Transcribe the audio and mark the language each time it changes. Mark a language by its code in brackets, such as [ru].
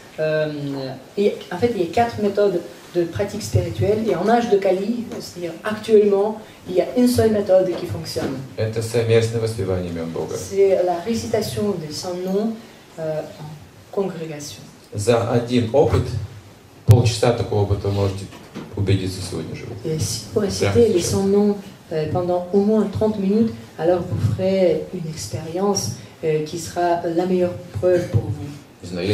[fr] En fait, il y a quatre méthodes de pratique spirituelle. Et en âge de Kali, c'est-à-dire actuellement, il y a une seule méthode qui fonctionne. C'est la récitation des 100 noms en congrégation. [ru] За один опыт, полчаса такого опыта можете убедиться сегодня же. [fr] Et si vous récitez les 100 noms pendant au moins 30 minutes, alors vous ferez une expérience qui sera la meilleure preuve pour vous.